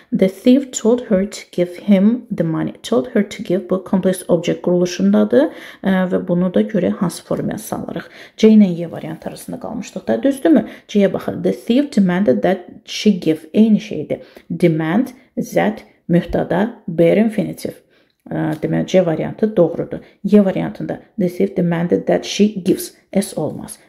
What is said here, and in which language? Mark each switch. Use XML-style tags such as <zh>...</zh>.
<en>The thief told her to give him the money. Told her to give</en> <az>bu kompleks object quruluşundadır. Və bunu da görə hansı formaya salırıq. C ilə Y variant arasında qalmışdıq da. Düzdür mü? C-yə baxaq.</az> <en>The thief demanded that she give.</en> <az>Eyni şeydir.</az> <en>Demand that</en> <az>mühtada bare infinitive. Deməli, C variantı doğrudur. Y variantında</az> <en>the thief demanded that she gives.</en> <az>S olmaz.</az>